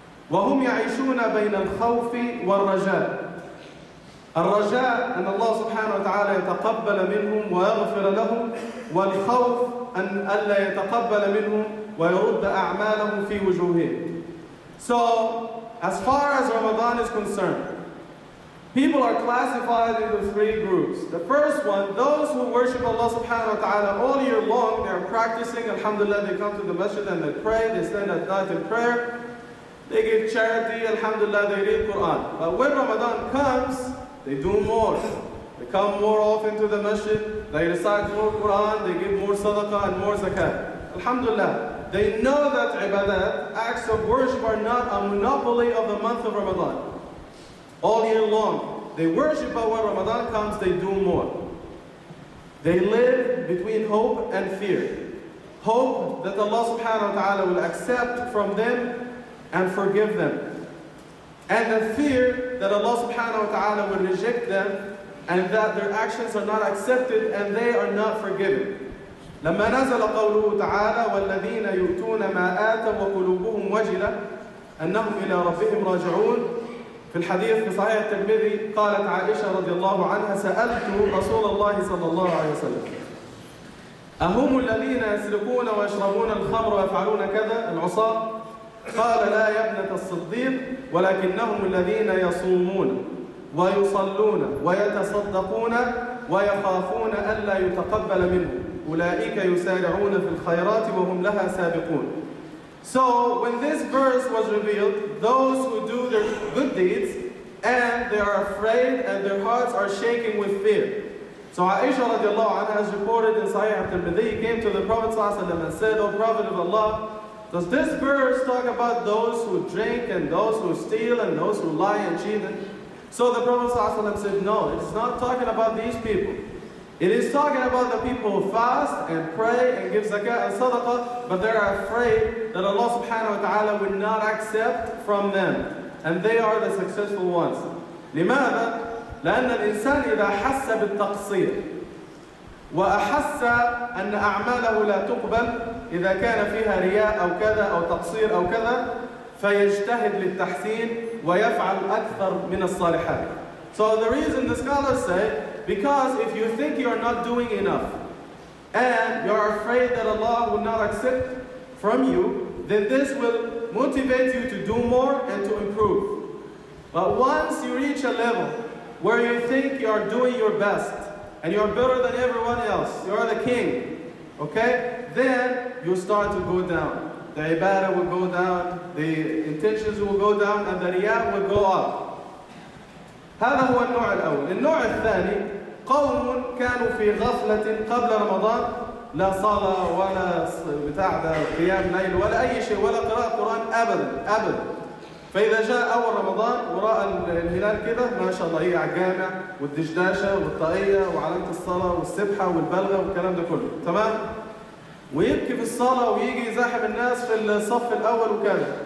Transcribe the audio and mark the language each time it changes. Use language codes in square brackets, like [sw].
[ar] وهم يعيشون بين الخوف والرجاء، الرجاء أن الله سبحانه وتعالى يتقبل منهم ويغفر لهم، والخوف أن ألا يتقبل منهم ويرد أعمالهم في وجوههم. [en] So, as far as Ramadan is concerned, people are classified into three groups. The first one, those who worship Allah subhanahu wa ta'ala all year long, they are practicing, alhamdulillah, they come to the masjid and they pray, they stand at night in prayer, they give charity, alhamdulillah, they read Quran. But when Ramadan comes, they do more. They come more often to the masjid, they recite more Quran, they give more sadaqah and more zakat. Alhamdulillah. They know that ibadat, acts of worship, are not a monopoly of the month of Ramadan. All year long, they worship, but when Ramadan comes, they do more. They live between hope and fear. Hope that Allah subhanahu wa ta'ala will accept from them and forgive them. And the fear that Allah subhanahu wa ta'ala will reject them and that their actions are not accepted and they are not forgiven. [ar] لما نزل قوله تعالى والذين يؤتون ما آتوا وقلوبهم وجلة أنهم إلى ربهم راجعون. في الحديث في صحيح الترمذي قالت عائشة رضي الله عنها سألت رسول الله صلى الله عليه وسلم أهم الذين يسرقون ويشربون الخمر ويفعلون كذا العصاة؟ قال لا يا ابنة الصديق، ولكنهم الذين يصومون ويصلون ويتصدقون ويخافون ألا يتقبل منهم أولئك يسارعون في الخيرات وهم لها سابقون. [en] So when this verse was revealed, those who do their good deeds and they are afraid and their hearts are shaking with fear. So Aisha radiallahu anha has reported in Sahih al-Tirmidhi, came to the Prophet sallallahu alaihi wasallam and said, O Prophet of Allah, does this verse talk about those who drink and those who steal and those who lie and cheat? So the Prophet sallallahu alaihi wasallam said, no, it's not talking about these people. It is talking about the people who fast and pray and give zakah and sadaqah, but they are afraid that Allah subhanahu wa ta'ala will not accept from them. And they are the successful ones. [ar] لماذا؟ لأن الإنسان إذا حس بالتقصير وأحس أن أعماله لا تقبل إذا كان فيها رياء أو كذا أو تقصير أو كذا فيجتهد للتحسين ويفعل أكثر من الصالحات. [en] So the reason the scholars say, because if you think you are not doing enough and you are afraid that Allah will not accept from you, then this will motivate you to do more and to improve. But once you reach a level where you think you are doing your best and you are better than everyone else, you are the king, okay? Then you start to go down. The ibadah will go down, the intentions will go down, and the riyah will go up. [ar] هذا هو النوع الأول. النوع الثاني قوم كانوا في غفلة قبل رمضان، لا صلاة ولا بتاع قيام ليل ولا أي شيء ولا قراءة قرآن أبدا أبدا. فإذا جاء أول رمضان ورأى الهلال كده ما شاء الله، هي عجامة والدشداشة والطائية وعلامة الصلاة والسبحة والبلغة والكلام ده كله تمام، ويبكي في الصلاة ويجي يزاحم الناس في الصف الأول وكذا.